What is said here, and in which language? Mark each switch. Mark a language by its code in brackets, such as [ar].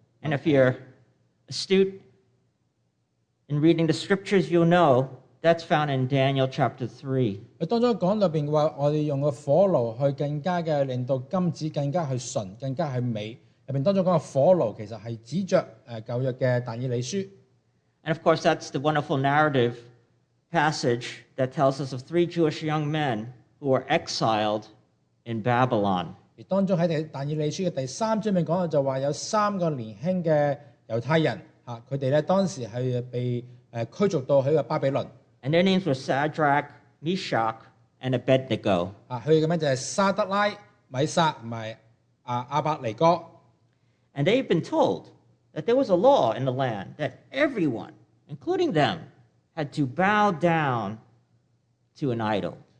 [en] And if you're astute in reading the scriptures, you'll know that's found in Daniel chapter 3. [zh] 当中讲里面说我们用个火炉去更加的令到金子更加去纯更加去美。里面当中讲的火炉其实是指着旧约的但以理书。 [en] And of course, that's the wonderful narrative passage that tells us of three Jewish young men who were exiled in Babylon. [zh] 当中在但以理书的第三章里面讲的就说有三个年轻的犹太人，他们当时被驱逐到巴比伦。 [en] And their names were Shadrach, Meshach, and Abednego. [zh] 他们的名字就是沙德拉、米撒和亚伯尼哥。 [en] And they've been told that there was a law in the land that everyone, including them, had to bow down to an idol.